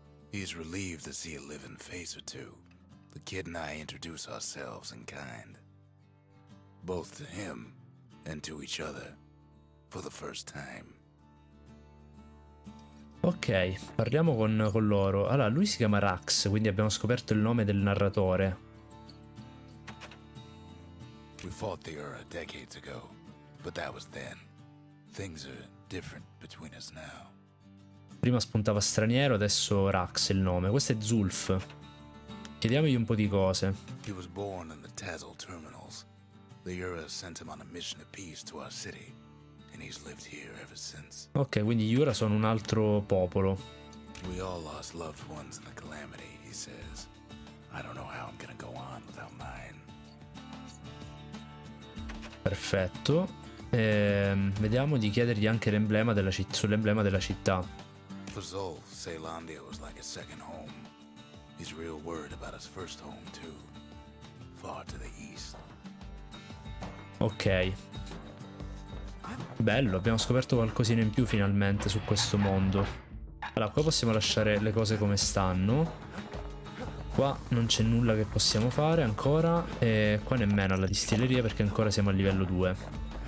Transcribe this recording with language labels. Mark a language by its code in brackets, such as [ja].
[en] He's relieved to see a living face or two. The kid and I introduce ourselves in kind. Both to him and to each other for the first time. [it] Ok, parliamo con loro. Allora, lui si chiama Rax, quindi abbiamo scoperto il nome del narratore. [en] We fought the Ura decades ago, but that was then. Things are different between us now. [it] Prima spuntava straniero, adesso Rax il nome. Questo è Zulf. Chiediamogli un po' di cose. [en] He was born in the Tazzil terminals. The Ura sent him on a mission of peace to our city, and he's lived here ever since. [it] Ok, quindi gli Ura sono un altro popolo. [en] We all lost loved ones in the calamity, he says. I don't know how I'm gonna go on without mine. [it] Perfetto. Vediamo di chiedergli anche l'emblema della sull'emblema della città. [en] For Zulf, Ceylandia was like a second home. He's real worried about his first home too, far to the east. Ok. [it] Bello, abbiamo scoperto qualcosina in più finalmente su questo mondo. Allora, qua possiamo lasciare le cose come stanno. Qua non c'è nulla che possiamo fare ancora. E qua nemmeno alla distilleria perché ancora siamo a livello 2.